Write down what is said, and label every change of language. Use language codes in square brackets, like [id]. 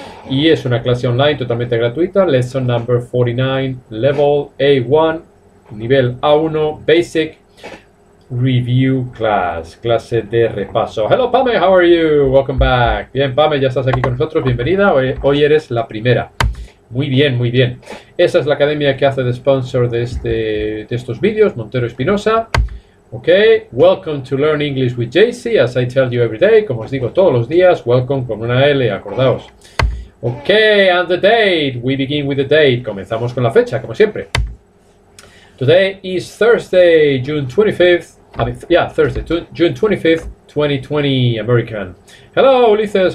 [es] Y es una clase online totalmente gratuita. [en] Lesson number 49, level A1, [es] nivel A1, [en] basic review class. [es] Clase de repaso. [en] Hello, Pame, how are you? Welcome back. [es] Bien, Pame, ya estás aquí con nosotros. Bienvenida. Hoy eres la primera. Muy bien, muy bien. Esa es la academia que hace de sponsor de estos vídeos, Montero Espinosa. [en] Ok, welcome to Learn English with JC, as I tell you every day. [es] Como os digo todos los días, welcome con una L, acordaos. [en] Ok, and the date. We begin with the date. [es] Comenzamos con la fecha, como siempre. [en] Today is Thursday, June 25th. Thursday, June 25th, 2020, American. Hello, Ulises.